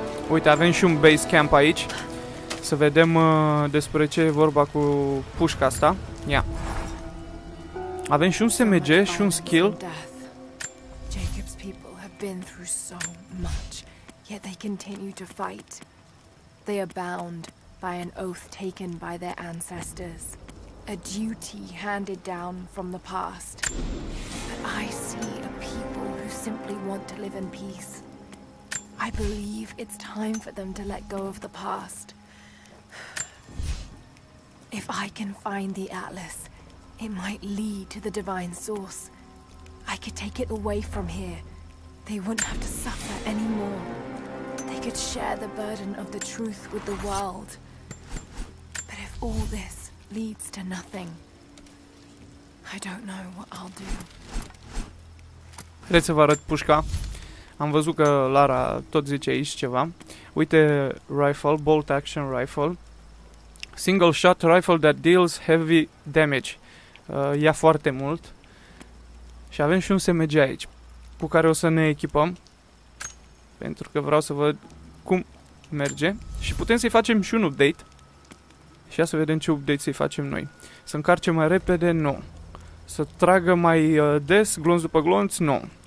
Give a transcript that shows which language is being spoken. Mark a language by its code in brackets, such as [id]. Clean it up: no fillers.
[ro] Uite, avem și un base camp aici. Să vedem despre ce e vorba cu pușca asta. Ia. Yeah. Avem și un SMG și un skill. [en] Jacob's people have been through so much, yet they continue to fight. They are bound by an oath taken by their ancestors. A duty handed down from the past. But I see a people who simply want to live in peace. I believe it's time for them to let go of the past. If I can find the Atlas, it might lead to the divine source. I could take it away from here. They wouldn't have to suffer anymore. They could share the burden of the truth with the world. But if all this leads to nothing, I don't know what I'll do. [ro] Vreți să vă arăt pușca? Am văzut că Lara tot zice aici ceva. [en] Uite, rifle, bolt action rifle. Single shot rifle that deals heavy damage. [ro] Ia foarte mult. Și avem și un SMG aici, cu care o să ne echipăm. Pentru că vreau să văd cum merge. Și putem să-i facem și un update. Și ia să vedem ce update să-i facem noi. Să încarce mai repede? Nu. Să tragă mai des, glonț după glonț? Nu.